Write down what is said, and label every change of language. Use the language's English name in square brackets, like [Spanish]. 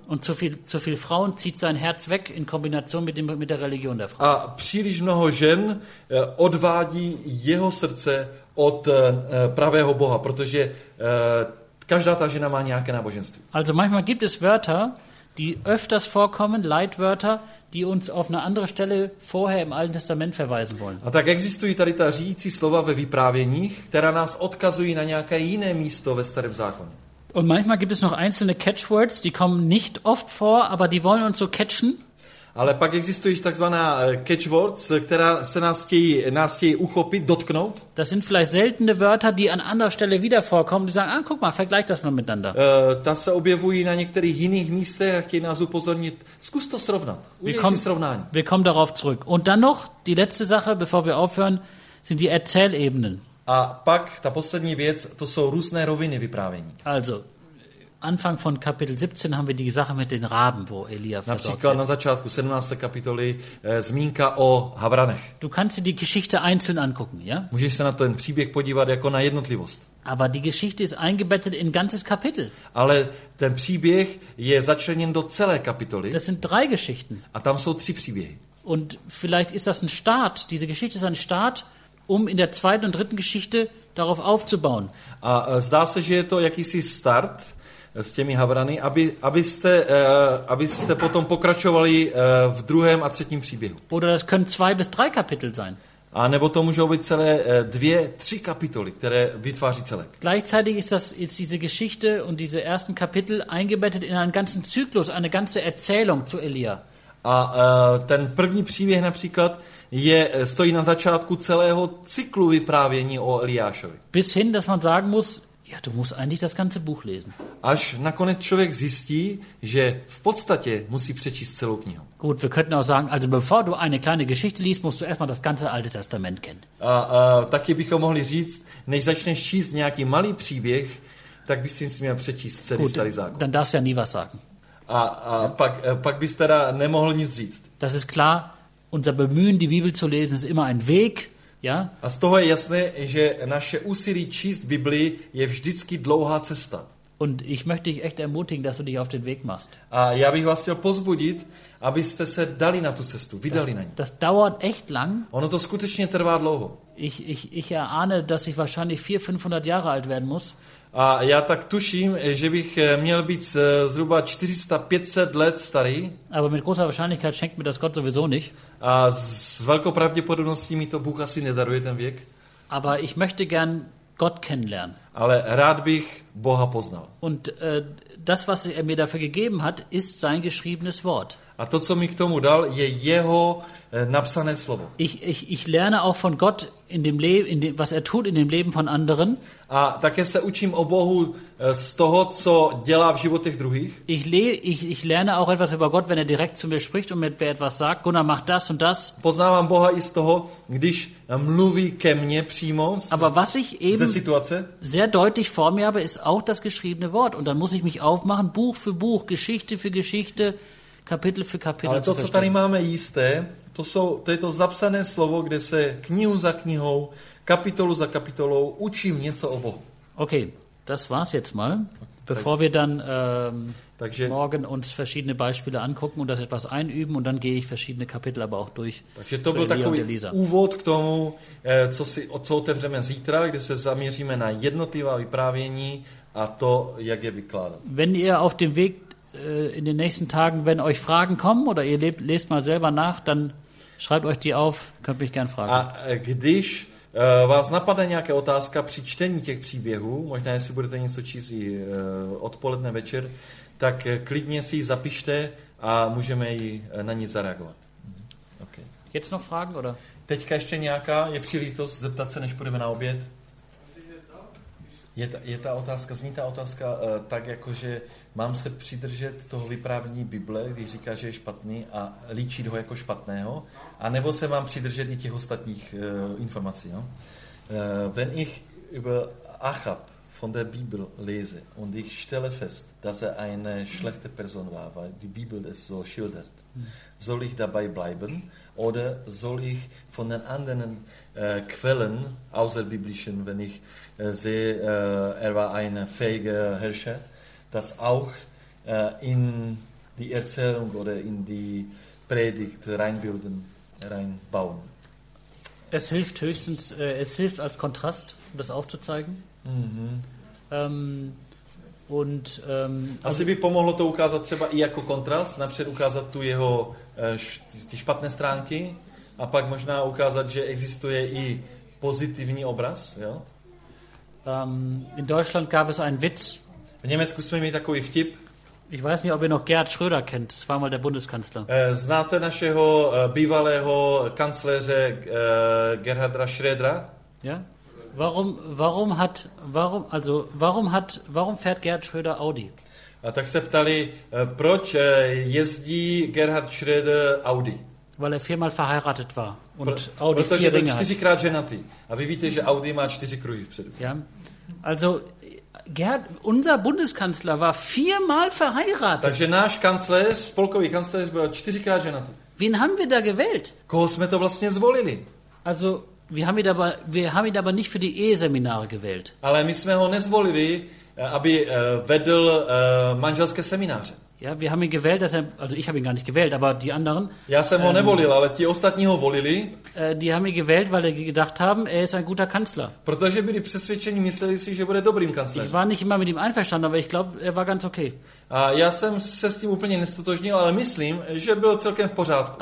[German] Und zu viel Frauen zieht sein Herz weg in Kombination mit der Religion der Frau. [Czech] A příliš mnoho žen odvádí jeho srdce od pravého Boha, protože každá ta žena má nějaké náboženství. [German] Also manchmal gibt es Wörter, die öfters vorkommen, Leitwörter, die uns auf eine andere Stelle vorher im Alten Testament verweisen wollen. [Czech] A tak existují tady ta řídící slova ve vyprávěních, která nás odkazují na nějaké jiné místo ve starém zákoně. [German] Und manchmal gibt es noch einzelne catchwords, die kommen nicht oft vor, aber die wollen uns so catchen. [Czech] Ale pak existují takzvaná catchwords, která se nás chtějí uchopit, dotknout. [German] Das sind vielleicht seltene Wörter, die an anderer Stelle wieder vorkommen. Die sagen, ah, guck mal, vergleich das mal miteinander. [Czech] Ta se objevují na některých jiných místech a chtějí nás upozornit. Zkus to srovnat. Udělej si srovnání. [German] Wir kommen darauf zurück. Und dann noch die letzte Sache, bevor wir aufhören, sind die Erzählebenen. [Czech] A pak ta poslední věc, to jsou různé roviny vyprávění. [German] Also, Anfang von Kapitel 17 haben wir die Sache mit den Raben, wo Elia versorgt wird. [Czech] Například na začátku 17. kapitoly zmínka o havranech. [German] Du kannst dir die Geschichte einzeln angucken, ja? [Czech] Můžeš se na ten příběh podívat jako na jednotlivost. [German] Aber die Geschichte ist eingebettet in ganzes Kapitel. [Czech] Ale ten příběh je začleněn do celé kapitoly. [German] Das sind drei Geschichten. [Czech] A tam jsou tři příběhy. [German] Und vielleicht ist das ein Start, diese Geschichte ist ein Start, um in der zweiten und dritten Geschichte darauf aufzubauen. [Czech] A zdá se, že je to jakýsi start s těmi havrany, abyste potom pokračovali v druhém a třetím příběhu. [German] Oder das können zwei bis drei Kapitel sein. [Czech] A nebo to můžou být celé dvě, tři kapitoly, které vytváří celek. [German] Gleichzeitig ist diese Geschichte und diese ersten Kapitel eingebettet in einen ganzen Zyklus, eine ganze Erzählung zu Elia. [Czech] A ten první příběh například stojí na začátku celého cyklu vyprávění o Eliášovi. [German] Bis hin, dass man sagen muss, ja, du musst eigentlich das ganze Buch lesen. [Czech] Až nakonec člověk zjistí, že v podstatě musí přečíst celou knihu. [German] Gut, wir könnten auch sagen, also bevor du eine kleine Geschichte liest, musst du erstmal das ganze Alte Testament kennen. [Czech] A taky bychom mohli říct, než začneš číst nějaký malý příběh, tak bys si měl přečíst celý starý zákon. [German] Dann darfst du ja nie was sagen. [Czech] A pak bys teda nemohl nic říct. [German] Das ist klar, unser Bemühen, die Bibel zu lesen, ist immer ein Weg. Ja? [Czech] A z toho je jasné, že naše úsilí číst Bibli je vždycky dlouhá cesta. [German] Und ich möchte dich echt ermutigen, dass du dich auf den Weg machst. [Czech] A já bych vás chtěl pozbudit, abyste se dali na tu cestu, vydali [German] das, [Czech] na ní. [German] Das dauert echt lang. [Czech] Ono to skutečně trvá dlouho. [German] Ich erahne, dass ich wahrscheinlich 400-500 Jahre alt werden muss. [Czech] A já tak tuším, že bych měl být zhruba 400-500 let starý. [German] Aber mit großer Wahrscheinlichkeit schenkt mir das Gott sowieso nicht. [Czech] A s velkou pravděpodobností mi to Bůh asi nedaruje ten věk. [German] Aber ich möchte gern Gott kennenlernen. [Czech] Ale rád bych Boha poznal. [German] Und das, was er mir dafür gegeben hat, ist sein geschriebenes Wort. [Czech] A to, co mi k tomu dal, je jeho napsané slovo. [German] Ich lerne auch von Gott in dem, was er tut in dem Leben von anderen. [Czech] A také se učím o Bohu z toho, co dělá v životech druhých. [German] Ich lerne auch etwas über Gott, wenn er direkt zu mir spricht und mir etwas sagt. Gunnar, mach das und das. [Czech] Poznávám Boha i z toho, když mluví ke mně přímo. [German] Aber was ich eben [Czech] ze situace, [German] sehr deutlich vor mir habe, ist auch das geschriebene Wort. Und dann muss ich mich aufmachen, Buch für Buch, Geschichte für Geschichte, Kapitel für Kapitel. [Czech] Ale to, co tady máme jisté, to je to zapsané slovo, kde se knihu za knihou, kapitolu za kapitolou učím něco o Bohu. [German] Okay, das war's jetzt mal. Bevor wir dann morgen uns verschiedene Beispiele angucken und das etwas einüben und dann gehe ich verschiedene Kapitel aber auch durch. [Czech] Takže to byl takový úvod k tomu, co otevřeme zítra, kde se zaměříme na jednotlivá vyprávění a to, jak je vykládat. [German] Wenn ihr auf dem Weg in den nächsten Tagen, wenn euch Fragen kommen oder ihr lest mal selber nach, dann schreibt euch die auf, könnt mich gern fragen. [Czech] A když vás napadne nějaká otázka při čtení těch příběhů, možná jestli budete něco číst i odpoledne, večer, tak klidně si ji zapište a můžeme ji na ní zareagovat. [German] Okay. Jetzt noch Fragen, oder? [Czech] Teďka ještě nějaká, je přilítost zeptat se, než půjdeme na oběd. Je ta otázka, zní ta otázka tak, jakože mám se přidržet toho vyprávění Bible, když říká, že je špatný a líčit ho jako špatného, a nebo se mám přidržet i těch ostatních informací. No? [German] Wenn ich über Achab von der Bibel lese und ich stelle fest, dass eine schlechte Person war, weil die Bibel es so schildert, soll ich dabei bleiben oder soll ich von den anderen Quellen, außerbiblischen, wenn ich sehe, er war ein fähiger Herrscher, das auch in die Erzählung oder in die Predigt reinbilden, reinbauen? Es hilft höchstens, es hilft als Kontrast, um das aufzuzeigen. Mhm. Und [Czech] asi by pomohlo to ukázat třeba i jako kontrast, napřed ukázat tu jeho ty špatné stránky a pak možná ukázat, že existuje i pozitivní obraz, jo? [German] In Deutschland gab es einen Witz. [Czech] V Německu jsme měli takový vtip. [German] Ich weiß nicht, ob ihr noch Gerhard Schröder kennt. Das war mal der Bundeskanzler. [Czech] Znáte našeho bývalého kancléře Gerharda Schrödera? [German] Ja. Warum fährt Gerhard Schröder Audi? [Czech] A tak se ptali, proč jezdí Gerhard Schröder Audi? [German] Weil er viermal verheiratet war und Audi vier Ringe hat. [Czech] Protože byl čtyřikrát ženatý. A vy víte, že Audi má čtyři kruhy vpředu. [German] Ja. Also Gerhard, unser Bundeskanzler war viermal verheiratet. [Czech] Takže náš kancléř, spolkový kancléř byl čtyřikrát ženatý. [German] Wen haben wir da gewählt? [Czech] Koho jsme to vlastně zvolili? [German] Also wir haben ihn aber nicht für die Eheseminare gewählt. [Czech] Ale my jsme ho nezvolili, aby vedl manželské semináře. [German] Ja, wir haben ihn gewählt, also ich habe ihn gar nicht gewählt, aber die anderen. [Czech] Já jsem ho nevolil, ale ti ostatní ho volili. [German] Die haben ihn gewählt, weil sie gedacht haben, er ist ein guter Kanzler. [Czech] Protože byli přesvědčeni, mysleli si, že bude dobrým kancléřem. [German] Ich war nicht immer mit ihm einverstanden, aber ich glaube, er war ganz okay. [Czech] A já jsem se s tím úplně nestotožnil, ale myslím, že byl celkem v pořádku.